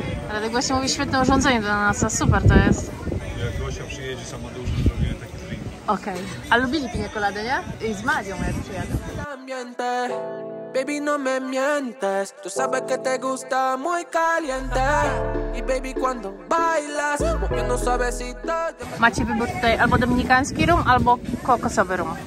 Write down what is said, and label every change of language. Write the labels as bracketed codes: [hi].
[pl] Ale tak właśnie mówi, świetne urządzenie dla nas, a super to jest. Jak Gosia przyjedzie samodużo, zrobimy takie drinki. Okej, okay. A lubili piña colada, nie? I z Madzią, jak przyjadę. [es] Baby, no me mientes, tu sabes que te gusta muy caliente. Y baby, cuando bailas, porque no sabes si to... [pl] Macie wybór tutaj albo dominikański rum, albo kokosowy rum.